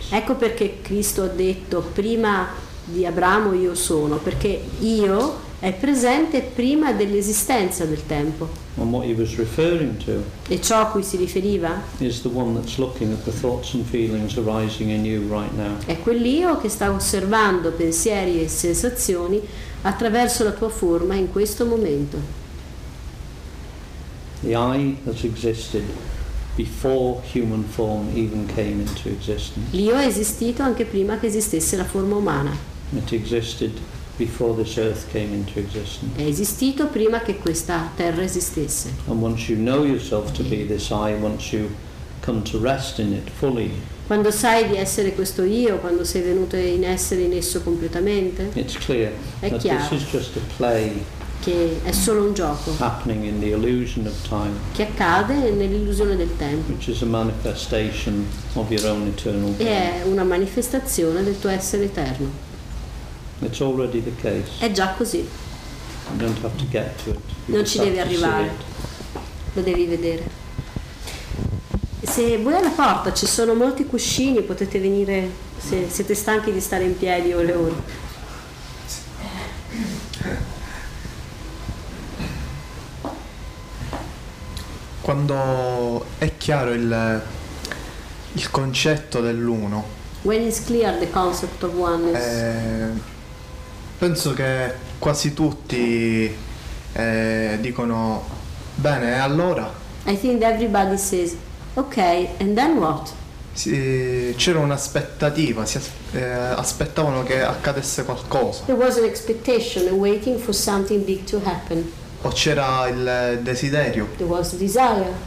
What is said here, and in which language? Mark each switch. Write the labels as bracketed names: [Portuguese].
[Italian] Ecco perché Cristo ha detto, "Prima di Abramo io sono," perché io è presente prima dell'esistenza del tempo. [English] And what he was referring to, [Italian] e ciò a cui si riferiva, [English] is the one that's looking at the thoughts and feelings arising in you right now. [Italian] È quell'io che sta osservando pensieri e sensazioni attraverso la tua forma in questo momento. [English] The I has existed before human form even came into existence. [Italian] L'io è esistito anche prima che esistesse la forma umana. [English] It existed before this earth came into existence. [Italian] È esistito prima che questa terra esistesse. [English] And once you know yourself to be this I, once you come to rest in it fully, [Italian] quando sai di essere questo io, quando sei venuto in essere in esso completamente, [English] it's clear [Italian] è [English] that [Italian] chiaro. [English] This is just a play [Italian] che è solo un gioco, [English] happening in the illusion of time, [Italian] che accade nell'illusione del tempo, [English] which is a manifestation of your own eternal being, [Italian] è una manifestazione del tuo essere eterno. [English] It's already the case. [Italian] È già così. [English] You don't have to get to it. [Italian] Non ci devi arrivare, lo devi vedere. Se voi alla porta ci sono molti cuscini, potete venire se siete stanchi di stare in piedi ore e ore. Quando è chiaro il concetto dell'uno, [English] when is clear the concept of oneness, [Italian] penso che quasi tutti dicono bene, e allora? [English] I think everybody says okay, and then what? [Italian] Sì, c'era un'aspettativa, aspettavano che accadesse qualcosa. [English] There was an expectation, waiting for something big to happen. [Italian] O c'era il desiderio. [English] There was a desire.